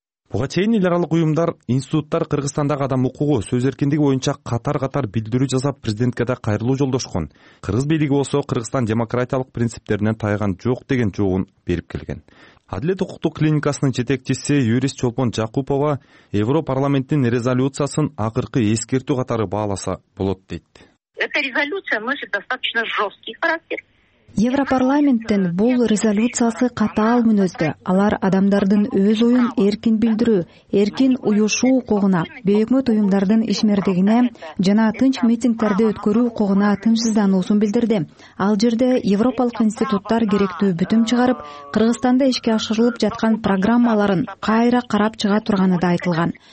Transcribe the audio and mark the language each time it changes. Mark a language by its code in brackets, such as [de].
[ky] Буга чейин эл аралык уюмдар, институттар Кыргызстандагы адам укугу, сөз эркиндиги боюнча катар-катар билдирүү жасап президентке да кайрылуу жолдошкон. Кыргыз бийлиги болсо, Кыргызстан демократиялык принциптерине тайган жок деген жообун берип келген. Адилет укуктук клиникасынын жетекчиси юрист Чолпон Жакупова Европарламенттин резолюциясын акыркы эскертүү катары бааласа болот дейт. [ru] Эта резолюция носит достаточно жесткий характер. [ky] Европарламенттин бул резолюциясы катаал мүнөздө. Алар адамдардын өз оюн эркин билдирүү, эркин уюшуу укугуна, бейөкмөт уюмдардын ишмердигине жана тынч митингдерди өткөрүү укугуна тынчсыздануусун билдирди. Ал жерде европалык институттар керектүү бүтүм чыгарып, Кыргызстанда ишке ашырылып жаткан программаларын кайра карап чыга турганы да айтылган.